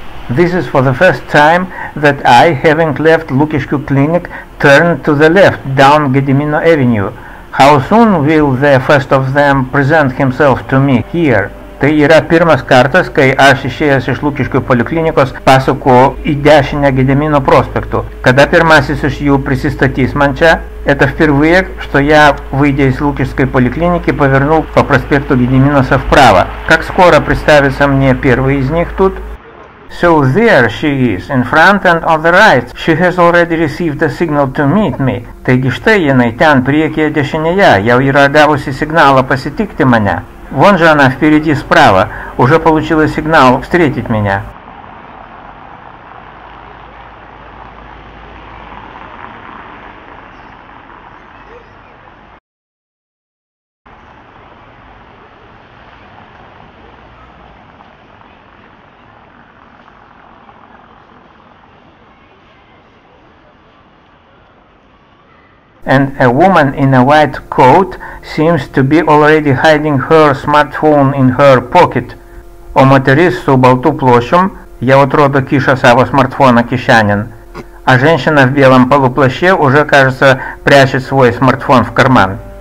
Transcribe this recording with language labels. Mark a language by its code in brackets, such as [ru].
[en] This is for the first time that I, having left Lukiškių Clinic, turned to the left, down Gedimino Avenue. How soon will the first of them present himself to me here? [lt] Tai yra pirmas kartas, kai aš išėjęs iš Lukiškių poliklinikos pasuku į dešinę Gedimino prospektu. Kada pirmasis iš jų prisistatys man čia? [ru] Это впервые, что я, выйдя из Лукишской поликлиники, повернул по проспекту Гедиминоса вправо. Как скоро представится мне первый из них тут? [en] So there she is, in front and on the right. She has already received a signal to meet me. [lt] Taigi štai jinai ten priekyje dešinėje, jau yra gavusi сигналą pasitikti mane. [ru] Вон же она впереди справа, уже получила сигнал встретить меня. [en] And a woman in a white coat seems to be already hiding her smartphone in her pocket. [lt] O moteris su baltu plošium jau atrodo kiša savo smartfoną kišenin. [ru] А женщина в белом полуплаще уже, кажется, прячет свой смартфон в карман.